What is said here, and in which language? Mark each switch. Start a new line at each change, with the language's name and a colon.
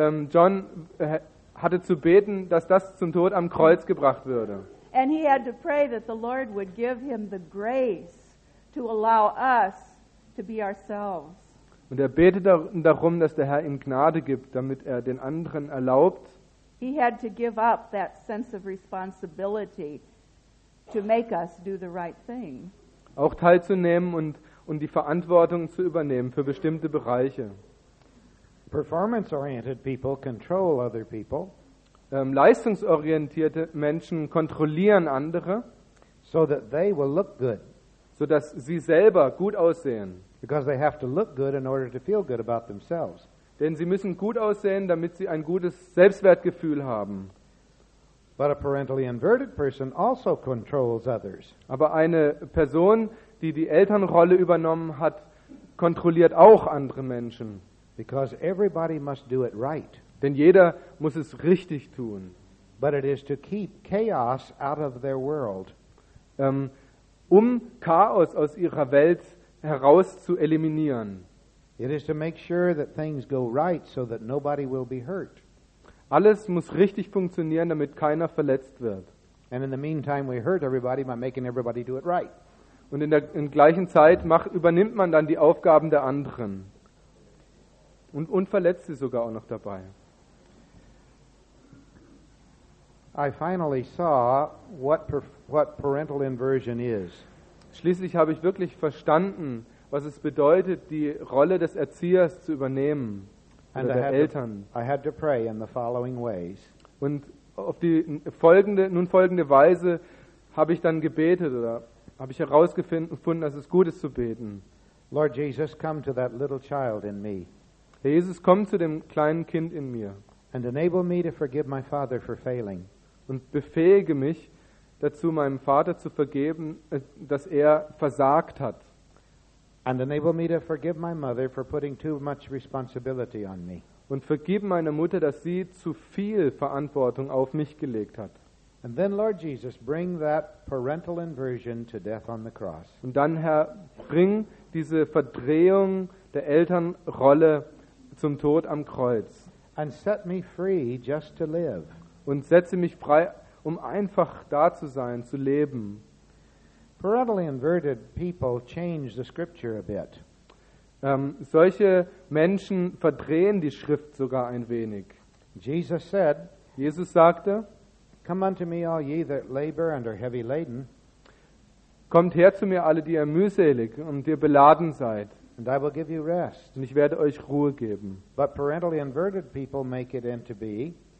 German: John hatte zu beten, dass das zum Tod am Kreuz gebracht würde.
English: And he had to pray that the Lord would give him the grace to allow us to be ourselves.
German: Und er betete darum, dass der Herr ihm Gnade gibt, damit er den anderen erlaubt.
English: He had to give up that sense of responsibility to make us do the right thing.
German: Auch teilzunehmen und die Verantwortung zu übernehmen für bestimmte Bereiche.
English: Performance-oriented people control other people.
German: Leistungsorientierte Menschen kontrollieren andere,
English: so that they will look good.
German: So dass sie selber gut aussehen.
English: Because they have to look good in order to feel good about themselves.
German: Denn sie müssen gut aussehen, damit sie ein gutes Selbstwertgefühl haben.
English: But a parentally inverted person also controls others.
German: Aber eine Person, die die Elternrolle übernommen hat, kontrolliert auch andere Menschen.
English: Because everybody must do it right.
German: Denn jeder muss es richtig tun.
English: But it is to keep chaos out of their world.
German: Um Chaos aus ihrer Welt heraus zu eliminieren.
English: It is to make sure that things go right so that nobody will be hurt.
German: Alles muss richtig funktionieren, damit keiner verletzt wird.
English: And in the meantime we hurt everybody by making everybody do it right.
German: Und in gleichen Zeit übernimmt man dann die Aufgaben der anderen. Und verletzt sie sogar auch noch dabei.
English: I finally saw what parental inversion is.
German: Schließlich habe ich wirklich verstanden, was es bedeutet, die Rolle des Erziehers zu übernehmen
English: and
German: oder
English: I
German: der
English: had
German: Eltern.
English: To, I had to pray in the following ways.
German: Und auf die folgende Weise habe ich dann gebetet oder habe ich herausgefunden, dass es gut ist zu beten.
English: Lord Jesus, come to that little child in me.
German: Herr Jesus, komm zu dem kleinen Kind in mir.
English: And enable me to forgive my father for failing.
German: Und befähige mich dazu, meinem Vater zu vergeben, dass er versagt hat.
English: And enable me to forgive my mother for putting too much responsibility on me.
German: Und vergib meiner Mutter, dass sie zu viel Verantwortung auf mich gelegt hat.
English: And then, Lord Jesus, bring that parental inversion to death on the cross.
German: Und dann, Herr, bring diese Verdrehung der Elternrolle zum Tod am Kreuz.
English: And set me free just to live.
German: Und setze mich frei, um einfach da zu sein, zu leben.
English: Parentally inverted people change the scripture a bit.
German: Solche Menschen verdrehen die Schrift sogar ein wenig.
English: Jesus said,
German: Jesus sagte,
English: come unto me all ye that labor and are heavy laden.
German: Kommt her zu mir alle, die ihr mühselig und ihr beladen seid.
English: And I will give you rest.
German: Und ich werde euch Ruhe geben.
English: But parentally inverted people make it into be.